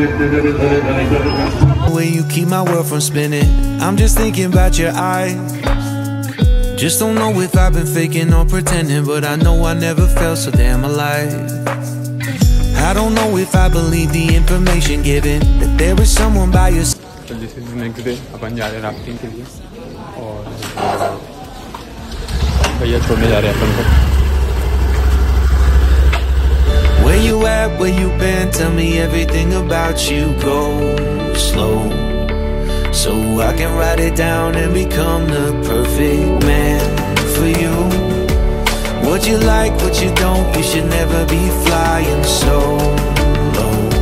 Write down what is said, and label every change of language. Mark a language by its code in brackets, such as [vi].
[en] when you keep my world from spinning. I'm just thinking about your eyes. Just don't know if I've been faking or pretending, but I know I never felt so damn alive. I don't know if I believe the information given that there is someone by your side. So this is the next day. [hi] अपन जा रहे हैं rafting के लिए, और भैया छोड़ने जा रहे हैं अपन को। [en] Where you at, where you been, tell me everything about you. Go slow, so I can write it down and become the perfect man for you. What you like, what you don't, you should never be flying so low.